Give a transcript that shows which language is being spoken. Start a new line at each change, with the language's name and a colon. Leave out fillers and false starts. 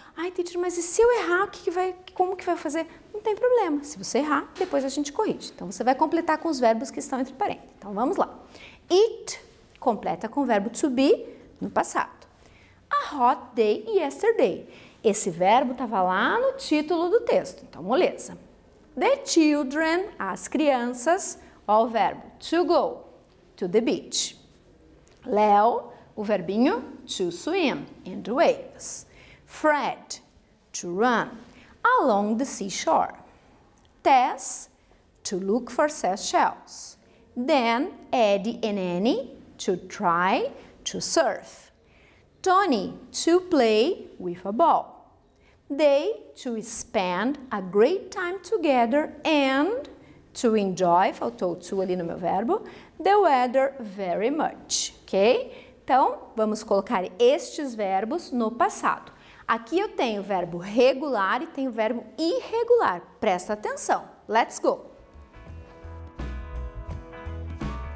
Portuguese: Ai, teacher, mas e se eu errar, como que vai fazer? Não tem problema. Se você errar, depois a gente corrige. Então, você vai completar com os verbos que estão entre parênteses. Então, vamos lá. It completa com o verbo to be no passado.
English: A hot day yesterday.
Portuguese: Esse verbo estava lá no título do texto. Então, moleza.
English: The children,
Portuguese: as crianças, ó, o verbo
English: to go to the beach. Léo, o verbinho to swim in the waves. Fred, to run along the seashore. Tess, to look for seashells. Dan, Eddie and Annie, to try to surf. Tony, to play with a ball. They, to spend a great time together and to enjoy,
Portuguese: faltou to ali no meu verbo,
English: the weather very much.
Portuguese: Ok? Então, vamos colocar estes verbos no passado. Aqui eu tenho o verbo regular e tenho o verbo irregular. Presta atenção.
English: Let's go. Thank you.